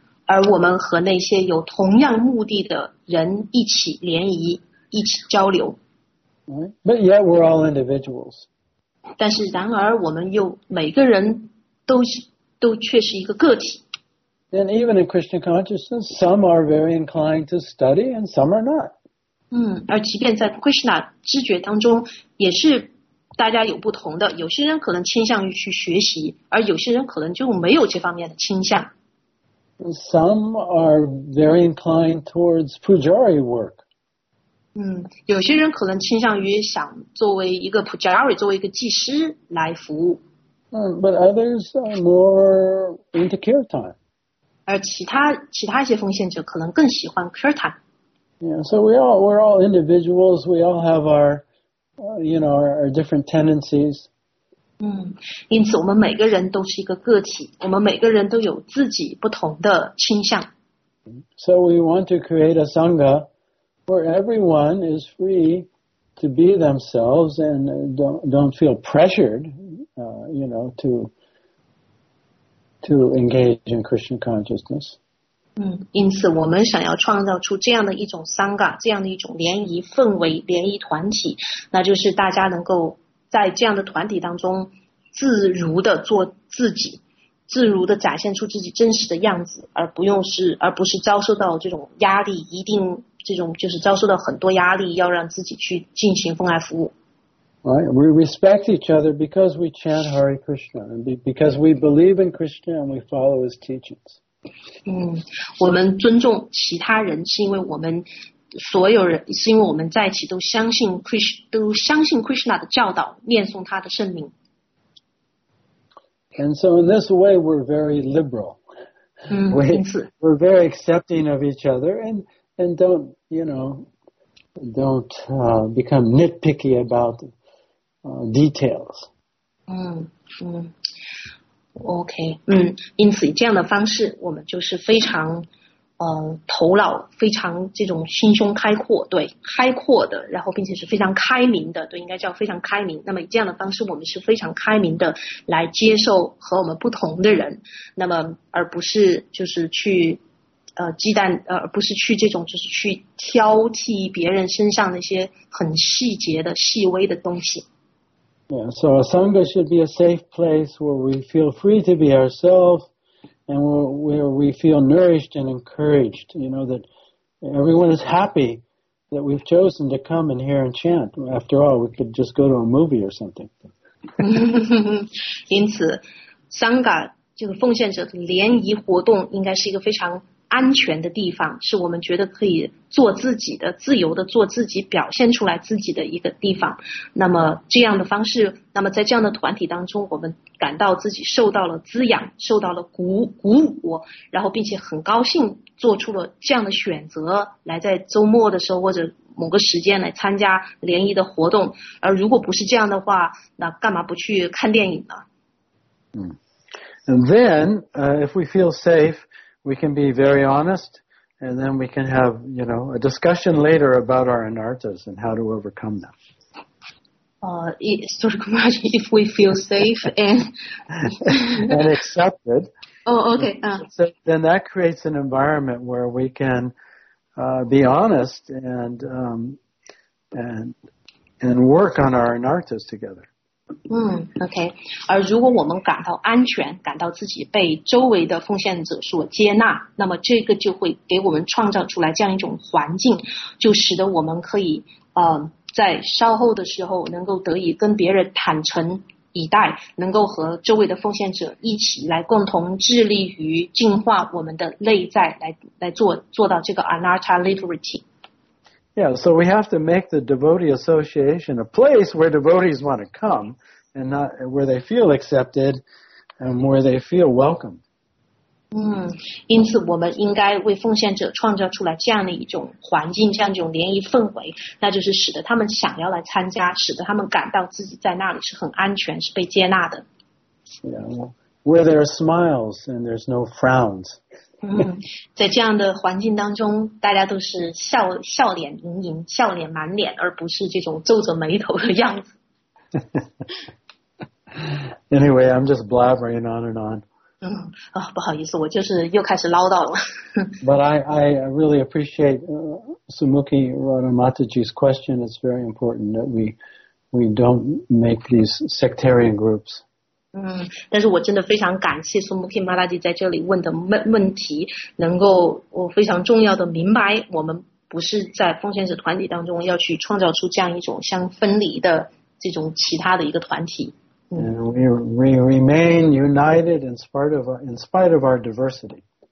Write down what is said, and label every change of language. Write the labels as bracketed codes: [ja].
[zh] 而我们和那些有同样目的的人一起联谊，一起交流。 [en] But yet we're all individuals. [zh] 但是然而我们又每个人都却是一个个体。 [en] And even in Krishna consciousness, some are very inclined to study and some are not. [zh] 而即便在 Krishna 知觉当中也是大家有不同的，有些人可能倾向于去学习，而有些人可能就没有这方面的倾向。 [en] Some are very inclined towards pujari work. [zh] 有些人可能倾向于想作为一个 pujari, 作为一个祭师来服务。 [en] But others are more into kirtan. [zh] 而其他一些奉献者可能更喜欢 kirtan. [en] Yeah, so we're all individuals. We all have our, our different tendencies. [zh] 因此我们每个人都是一个个体，我们每个人都有自己不同的倾向。 [en] So we want to create a sangha where everyone is free to be themselves and don't feel pressured, to engage in Krishna consciousness. [zh] 因此我们想要创造出这样的一种sangha，这样的一种联谊氛围，联谊团体，那就是大家能够在这样的团体当中自如的做自己，自如的展现出自己真实的样子，而不是遭受到这种压力，一定这种就是遭受到很多压力，要让自己去进行奉爱服务。 [en] Right, we respect each other because we chant Hare Krishna and because we believe in Krishna and we follow his teachings. [zh] 我们尊重其他人是因为我们所有人是因为我们在一起都相信 Krishna 的教导，念诵他的圣名。 [en] And so in this way, we're very liberal. We're very accepting of each other and don't become nitpicky about details. Okay. [zh] 因此这样的方式我们就是非常头脑非常这种心胸开阔，对，开阔的，然后并且是非常开明的，对，应该叫非常开明。那么以这样的方式我们是非常开明的来接受和我们不同的人，那么而不是就是去忌惮，而不是去这种就是去挑剔别人身上那些很细节的细微的东西。 [en] Yeah, so a sangha should be a safe place where we feel free to be ourselves. And where we feel nourished and encouraged, that everyone is happy that we've chosen to come and hear and chant. After all, we could just go to a movie or something. [zh] 因此 ，Sangha 这个奉献者的联谊活动应该是一个非常安全的地方，是我们觉得可以做自己的、自由的做自己、表现出来自己的一个地方。那么这样的方式，那么在这样的团体当中，我们感到自己受到了滋养，受到了鼓舞，然后并且很高兴做出了这样的选择，来在周末的时候或者某个时间来参加联谊的活动。而如果不是这样的话，那干嘛不去看电影呢？ [en] And then, if we feel safe, we can be very honest, and then we can have, a discussion later about our anarthas and how to overcome them. If we feel safe and and accepted. Oh, okay. So then that creates an environment where we can be honest and work on our anarthas together. 嗯 ，OK。 [zh] 而如果我们感到安全，感到自己被周围的奉献者所接纳，那么这个就会给我们创造出来这样一种环境，就使得我们可以在稍后的时候能够得以跟别人坦诚以待，能够和周围的奉献者一起来共同致力于净化我们的内在，来做到这个 anatta liberty。 [en] Yeah, so we have to make the devotee association a place where devotees want to come and not where they feel accepted and where they feel welcomed. [zh] 因此我们应该为奉献者创造出来这样的一种环境，这样一种联谊氛围，那就是使得他们想要来参加，使得他们感到自己在那里是很安全，是被接纳的。 [en] Yeah, where there are smiles and there's no frowns. [zh] 在这样的环境当中，大家都是笑脸盈盈，笑脸满脸，而不是这种皱着眉头的样子。 [en] Anyway, I'm just blabbering on and on. [zh] 不好意思，我就是又开始唠叨了。 [en] But I really appreciate Sumukhi Ranamataji's question. It's very important that we don't make these sectarian groups. [zh] 但是我真的非常感谢苏穆基马拉吉在这里问的问题，能够我非常重要的明白，我们不是在奉献者团体当中要去创造出这样一种相分离的这种其他的一个团体。 [en] We remain united in spite of our diversity.